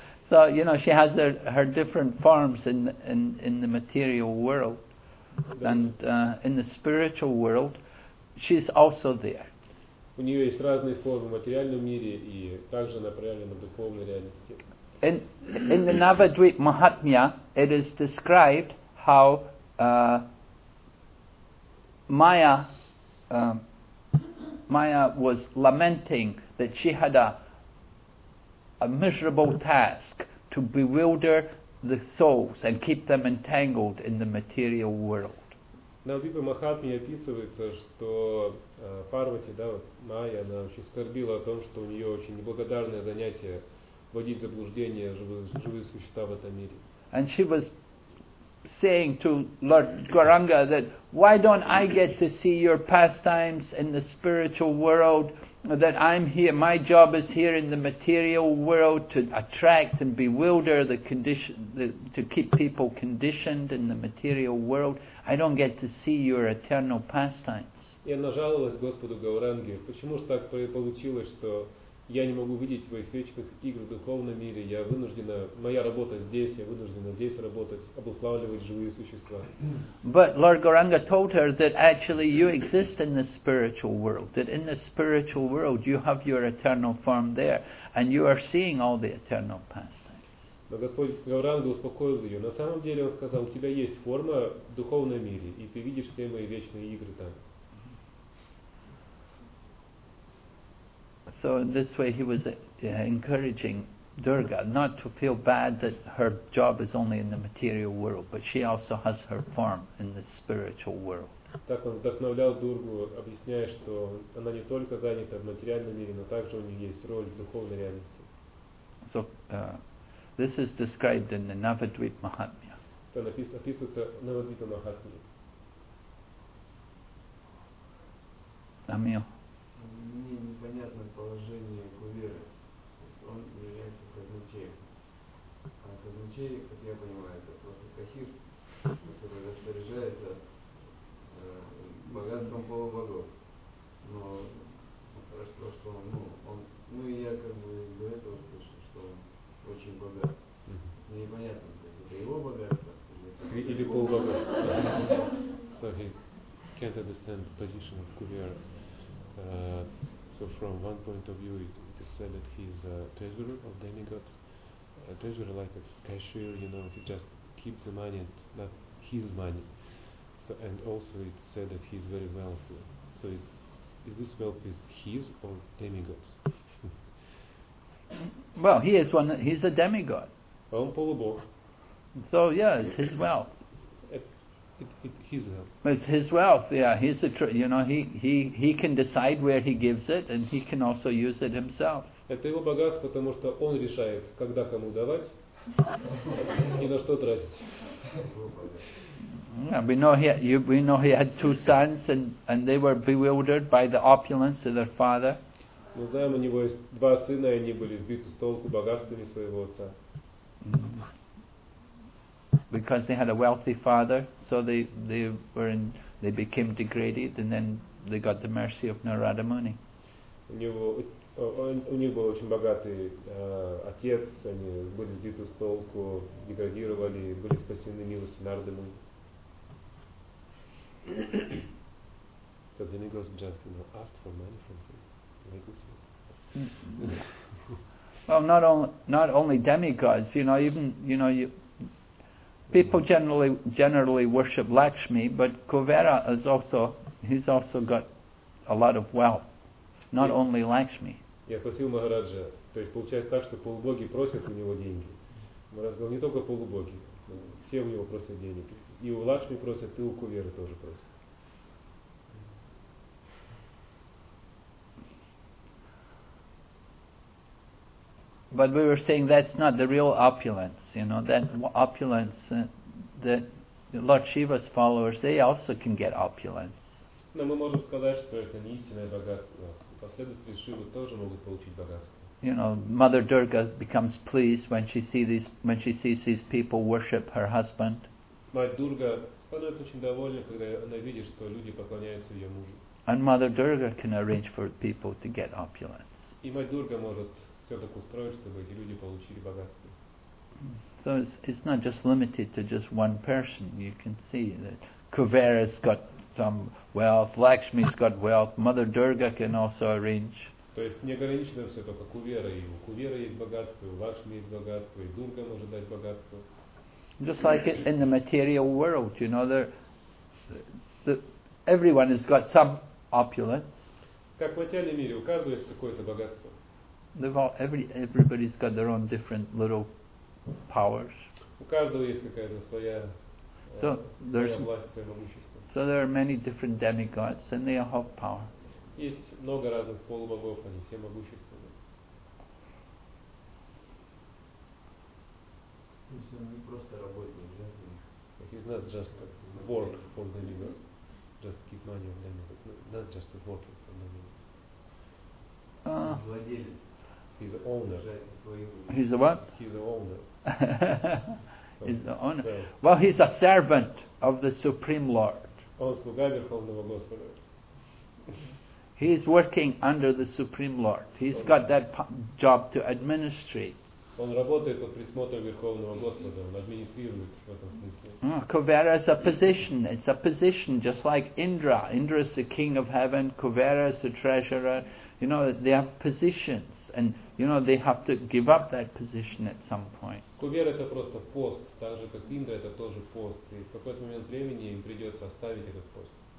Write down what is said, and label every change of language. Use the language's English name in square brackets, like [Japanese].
[English] So, you know, she has her different forms in the material world, and in the spiritual world, she's also there. [Russian] У неё есть разные формы в материальном мире и также направлена в духовной реальности. [English] In the Navadvip Mahatmya, it is described how Maya was lamenting that she had a miserable task to bewilder the souls and keep them entangled in the material world. [Russian] Навадвипа Махатмья описывается, что Парвати, да, вот Майя, она очень скорбила о том, что у нее очень неблагодарное занятие вводить в заблуждение живые существа в этом мире. [English] And she was saying to Lord Gauranga that why don't I get to see your pastimes in the spiritual world? That I'm here, my job is here in the material world to attract and bewilder the condition, to keep people conditioned in the material world. I don't get to see your eternal pastimes. [Russian] Я нажаловалась Господу Гауранге. Почему же так получилось, что я не могу видеть твоих вечных игр в духовном мире, я вынуждена, моя работа здесь, я вынуждена здесь работать, обуславливать живые существа. [English] But Lord Gauranga told her that actually you exist in the spiritual world, that in the spiritual world you have your eternal form there, and you are seeing all the eternal pastimes. [Russian] Но Господь Гауранга успокоил ее. На самом деле он сказал, у тебя есть форма в духовном мире, и ты видишь все мои вечные игры там. [English] So in this way he was encouraging Durga not to feel bad that her job is only in the material world, but she also has her form in the spiritual world. [Russian] Так он вдохновлял Дургу, объясняя, что она не только занята в материальном мире, но также у нее есть роль в духовной реальности. [English] So this is described in the Navadvip Mahatmya. [Russian] Это описывается в Навадвипа Махатмья. Амио. Мне непонятно положение Куверы. То есть он является казначеем. А казначей, как я понимаю, это просто кассир, который распоряжается богатством полубогов. Но хорошо, что он, и я как бы до этого слышал, что он очень богат. Мне непонятно, то есть это его богатство или полубогов. [English] So he can't understand the position of Kuvera. So from one point of view, it is said that he is a treasurer of demigods, a treasurer like a cashier, you know, he just keeps the money, and not his money. So, and also it's said that he is very wealthy. So is this wealth is his or demigods? Well, he is one, he's a demigod. [Russian] Он полубог. [English] So yeah, it's his wealth. It's his wealth. Yeah, he's he can decide where he gives it, and he can also use it himself. [Russian] Это его богатство, потому что он решает, когда кому давать и на что тратить. [English] Yeah, we know he had two sons, and they were bewildered by the opulence of their father. [Russian] Мы знаем, у него есть два сына, и они были сбиты с толку богатствами своего отца. [English] Because they had a wealthy father, so they became degraded, and then they got the mercy of Narada Muni. [Russian] У них был очень богатый отец, они были сбиты с толку, деградировали, были спасены милостью Нарады Муни. [English] So the demigods just, you know, asked for money from him. Well, not only demigods, you know, even, you know, you. People generally worship Lakshmi, but Kuvera is also, he's also got a lot of wealth, not only Lakshmi. [Russian] Я спросил Махараджа, то есть получается так, что полубоги просят у него деньги. Махарадж говорил, не только полубоги, все у него просят денег. И у Лакшми просят, и у Куверы тоже просят. [English] But we were saying that's not the real opulence, you know, that opulence that Lord Shiva's followers, they also can get opulence. [Russian] Но мы можем сказать, что это не истинное богатство. Последователи Шивы тоже могут получить богатство. [English] You know, Mother Durga becomes pleased when she sees these people worship her husband. [Russian] Мать Дурга становится очень довольна, когда она видит, что люди поклоняются ее мужу. [English] And Mother Durga can arrange for people to get opulence. [Russian] И мать Дурга может все так устроить, чтобы эти люди получили богатство. [English] So it's not just limited to just one person. You can see that Kuvera's got some wealth, Lakshmi's got wealth, Mother Durga can also arrange. [Russian] То есть не ограничено все только Кувера, и у Кувера есть богатство, у Лакшми есть богатство, и Дурга может дать богатство. [English] Just like in the material world, you know, everyone has got some opulence. [Russian] Как в материальном мире, у каждого есть какое-то богатство. [English] Everybody's got their own different little powers. [Russian] У каждого есть какая-то своя, власть, своё могущество. [English] So there are many different demigods, and they all have power. [Russian] Есть много разных полубогов, они все могущественны. То есть он не просто работник, да? [English] He's not just work for demigods, just keep money on demigods. Not just work for demigods. [Russian] Владелец. [English] He's the owner. He's the what? He's the owner. He's the owner. Well, he's a servant of the Supreme Lord. [Russian] Он слуга Верховного Господа. [English] He's working under the Supreme Lord. He's got that job to administrate. [Russian] Он работает под присмотром Верховного Господа. Он администрирует в этом смысле. [English] Kuvera is a position. It's a position, just like Indra. Indra is the king of heaven. Kuvera is the treasurer. You know, they have positions, and you know they have to give up that position at some point. [Russian] Kuvera это просто пост, так же как Индра это тоже пост, и в какой-то момент времени им придется оставить этот пост.